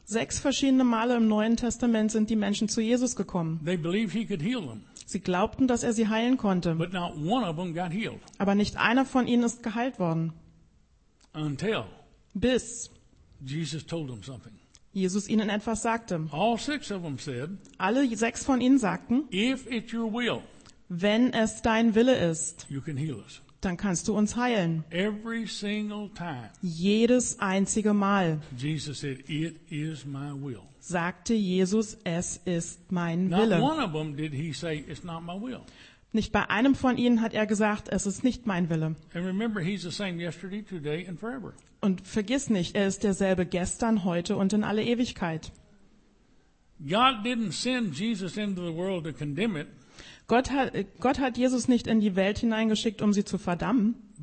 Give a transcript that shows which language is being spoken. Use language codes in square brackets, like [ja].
[de] 6 verschiedene Male im Neuen Testament sind die Menschen zu Jesus gekommen. [en] They believed he could heal them. [de] Sie glaubten, dass er sie heilen konnte. [en] But not one of them got healed. [de] Aber nicht einer von ihnen ist geheilt worden. [en] Until [de] bis [en] Jesus told them something. [de] Jesus ihnen etwas sagte. [en] All six of them said, [de] alle sechs von ihnen sagten, [en] if it's your will, [de] wenn es dein Wille ist, [en] you can heal us. [de] Dann kannst du uns heilen. [en] Every single time, [de] jedes einzige Mal, [en] Jesus said, it is my will. [de] Sagte Jesus, es ist mein [en] not [de] Wille. [en] One of them did he say, it's not my will. [de] Nicht bei einem von ihnen hat er gesagt, es ist nicht mein Wille. [en] And remember, he's the same yesterday, today, and forever. [de] Und vergiss nicht, er ist derselbe gestern, heute und in alle Ewigkeit. [en] God didn't send Jesus into the world to condemn it. [de] Gott hat Jesus nicht in die Welt hineingeschickt, um sie zu verdammen.